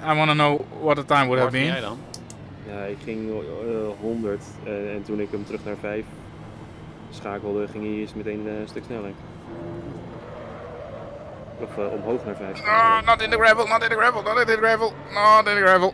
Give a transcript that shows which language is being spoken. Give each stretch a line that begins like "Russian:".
English: I wanna know what the time would have been.
Dutch: Ja, ik ging 100 en toen ik hem terug naar 5 schakelde, ging hij eerst meteen een stuk sneller. Of omhoog naar 5.
English: No, not in the gravel, not in the gravel, not in the gravel, not in the gravel.